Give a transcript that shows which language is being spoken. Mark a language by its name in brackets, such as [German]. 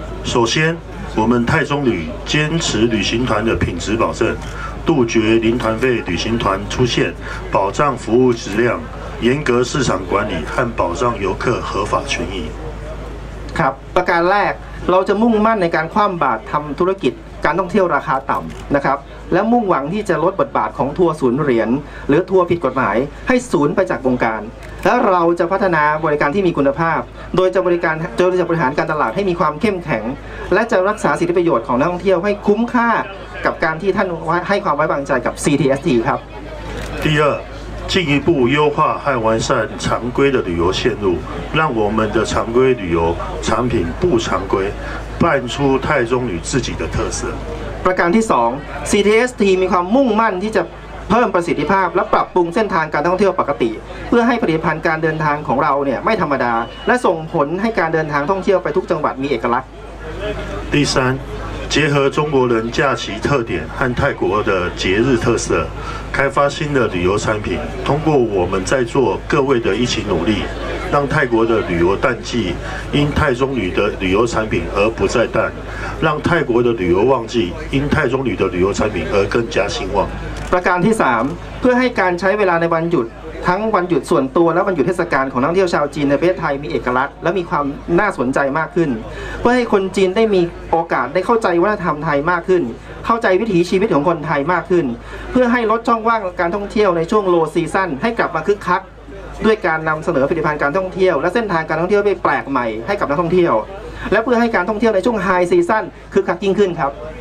[Chinese] 首先我们泰中旅坚持旅行团的品质保证杜绝零团费旅行团出现保障服务质量严格市场管理和保障游客合法权益 [Thai] ครับประการแรกเราจะมุ่งมั่นในการคว่ำบาตรทำธุรกิจการท่องเที่ยวราคาต่ำนะครับและมุ่งหวังที่จะลดบทบาทของทัวร์ศูนย์เหรียญหรือทัวร์ผิดกฎหมายให้ศูนย์ไปจากวงการและเราจะพัฒนาบริการที่มีคุณภาพโดยจะบริการโดยจะบริหารการตลาดให้มีความเข้มแข็งและจะรักษาสิทธิประโยชน์ของนักท่องเที่ยวให้คุ้มค่ากับการที่ท่านให้ความไว้วางใจกับ CTST ครับ [Chinese] 第二进一步优化和完善常规的旅游线路让我们的常规旅游产品不常规办出泰中旅自己的特色 [Thai] ประการที่2 CTST มีความมุ่งมั่นที่จะเพิ่มประสิทธิภาพและปรับปรุงเส้นทางการท่องเที่ยวปกติเพื่อให้ผลิตภัณฑ์การเดินทางของเราเนี่ยไม่ธรรมดาและส่งผลให้การเดินทางท่องเที่ยวไปทุกจังหวัดมีเอกลักษณ์ [Chinese] 第3结合中国人假期特点和泰国的节日特色开发新的旅游产品通过我们在座各位的一起努力让泰国的旅游淡季因泰中旅的旅游产品而不再淡让泰国的旅游旺季因泰中旅的旅游产品而更加兴旺 [Thai] ประการที่3เพื่อให้การใช้เวลาในวันหยุดทั้งวันหยุดส่วนตัวและวันหยุดเทศกาลของนักท่องเที่ยวชาวจีนในประเทศไทยมีเอกลักษณ์และมีความน่าสนใจมากขึ้นเพื่อให้คนจีนได้มีโอกาสได้เข้าใจวัฒนธรรมไทยมากขึ้นเข้าใจวิถีชีวิตของคนไทยมากขึ้นเพื่อให้ลดช่องว่างการท่องเที่ยวในช่วงโลว์ซีซั่นให้กลับมาคึกคักด้วยการนำเสนอผลิตภัณฑ์การท่องเที่ยวและเส้นทางการท่องเที่ยวที่แปลกใหม่ให้กับนักท่องเที่ยวและเพื่อให้การท่องเที่ยวในช่วงไฮซีซั่นคึกคักยิ่งขึ้นครับ